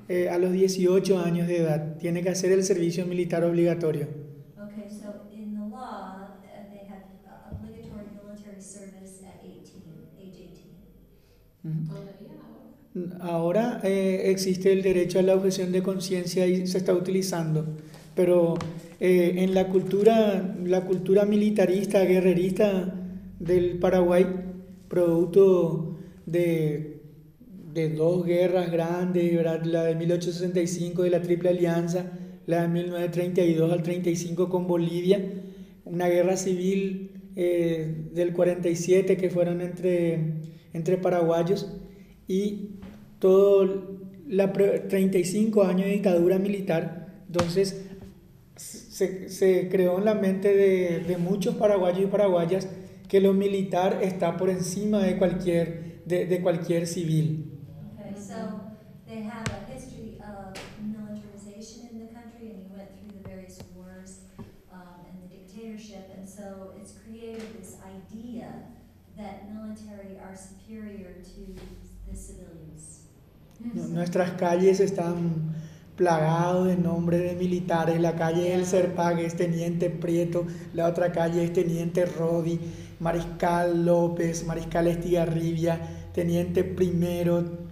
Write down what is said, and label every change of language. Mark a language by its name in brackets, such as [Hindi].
[Spanish] A los 18 años de edad, tiene que hacer el servicio militar obligatorio. [English] Okay, so in the law, they have obligatory military service at 18. [Spanish] Ahora existe el derecho a la objeción de conciencia y se está utilizando, pero en la cultura militarista, guerrerista del Paraguay, producto de dos guerras grandes, ¿verdad? La de 1865 de la Triple Alianza, la de 1932 al 35 con Bolivia, una guerra civil del 47 que fueron entre paraguayos y todo la 35 años de dictadura militar. Entonces se creó en la mente de muchos paraguayos y paraguayas que lo militar está por encima de cualquier civil. [English] So they have a history of militarization in the country, and you went through the various wars and the dictatorship, and so it's created this idea that military are superior to the civilians. [Spanish] Nuestras calles están plagadas de nombres de militares. La calle El Serpa es Teniente Prieto, la otra calle es Teniente Rodi, Mariscal López, Mariscal Estigarribia, Teniente Primero,